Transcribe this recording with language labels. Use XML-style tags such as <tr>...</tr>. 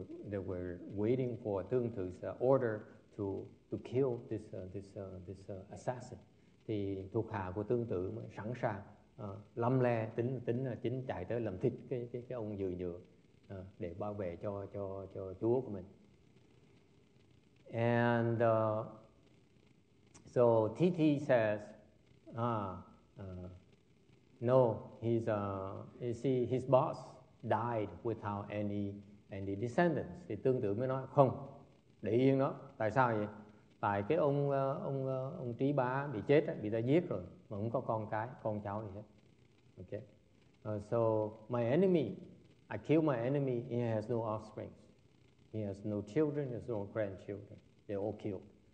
<en>They were waiting for Tương Tử's order to kill this assassin.</en> <vi>Thì thuộc hạ của Tương Tử sẵn sàng lăm le tính chính chạy tới làm thịt cái ông dừa nhựa để bảo vệ cho chúa của mình.</vi> <en>And so Titi says, no, he's you see his boss died without any descendants.</en> <vi>Thì Tương Tử mới nói không, để yên nó. Tại sao vậy? Tại cái ông Trí Bá bị chết, bị ta giết rồi mà không có con cái, con cháu gì hết.</vi> <en>Okay. So my enemy, I kill my enemy. He has no offspring. He has no children. He has no grandchildren. They're all killed.</en>